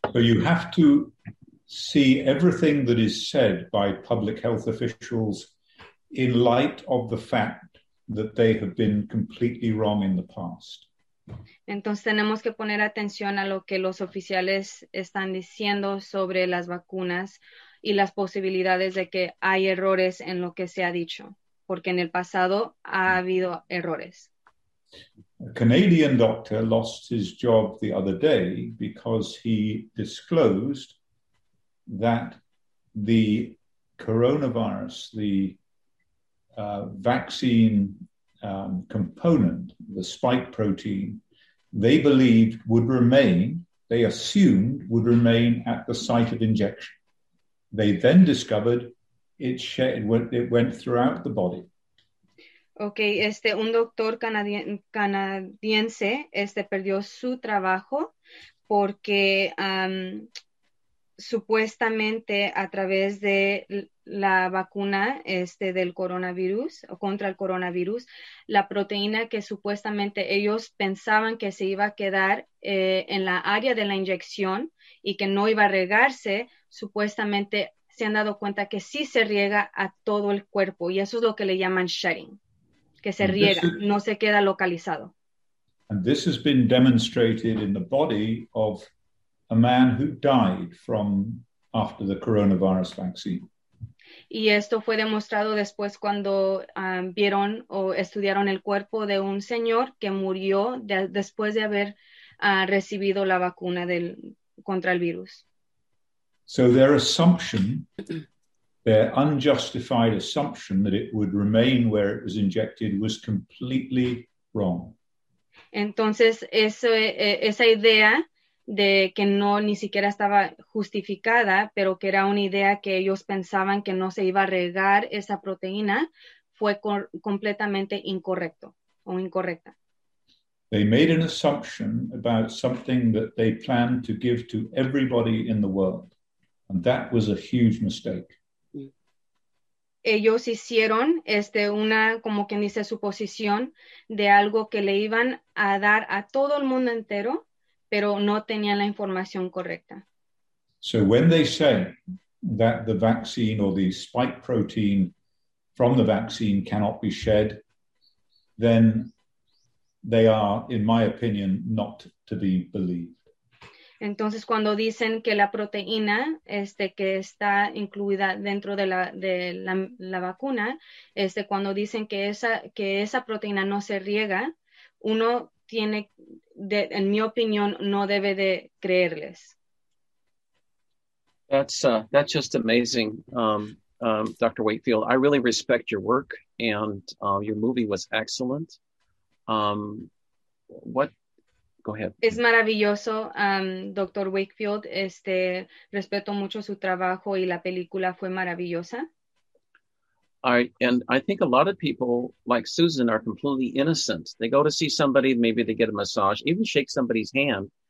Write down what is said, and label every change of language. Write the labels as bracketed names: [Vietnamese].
[English] So you have to see everything that is said by public health officials in light of the fact that they have been completely wrong in the past. [Spanish] Entonces tenemos que poner atención a lo que los oficiales están diciendo sobre las vacunas y las posibilidades de que hay errores en lo que se ha dicho, porque en el pasado ha habido errores. [English] A Canadian doctor lost his job the other day because he disclosed that the coronavirus, the vaccine component, the spike protein, they believed would remain, they assumed would remain at the site of injection. They then discovered it went throughout the body. [Spanish] Okay, un doctor canadiense perdió su trabajo porque supuestamente a través de la vacuna del coronavirus o contra el coronavirus, la proteína que supuestamente ellos pensaban que se iba a quedar en la área de la inyección y que no iba a regarse, supuestamente se han dado cuenta que sí se riega a todo el cuerpo, y eso es lo que le llaman shedding, que se riega, no se queda localizado. [English] And this has been demonstrated in the body of a man who died from after the coronavirus vaccine. [Spanish] Y esto fue demostrado después cuando vieron o estudiaron el cuerpo de un señor que murió después de haber recibido la vacuna contra el virus. [English] So their assumption, their unjustified assumption that it would remain where it was injected was completely wrong. [Spanish] Entonces, esa idea de que no ni siquiera estaba justificada, pero que era una idea que ellos pensaban que no se iba a regar esa proteína, fue completamente incorrecto o incorrecta. [English] They made an assumption about something that they planned to give to everybody in the world. And that was a huge mistake. [Spanish] Ellos hicieron una, como quien dice, suposición de algo que le iban a dar a todo el mundo entero, pero no tenían la información correcta. [English] So when they say that the vaccine or the spike protein from the vaccine cannot be shed, then they are, in my opinion, not to be believed. [Spanish] Entonces, cuando dicen que la proteína que está incluida dentro de la vacuna, cuando dicen que esa proteína no se riega, uno tiene, en mi opinión, no debe de creerles. [English] That's just amazing, Dr. Wakefield. I really respect your work, and your movie was excellent. Go ahead. [Spanish] Es maravilloso, Dr. Wakefield. Respeto mucho su trabajo y la película fue maravillosa. [English] I think a lot of people, like Susan, are completely innocent. They go to see somebody, maybe they get a massage, even shake somebody's hand.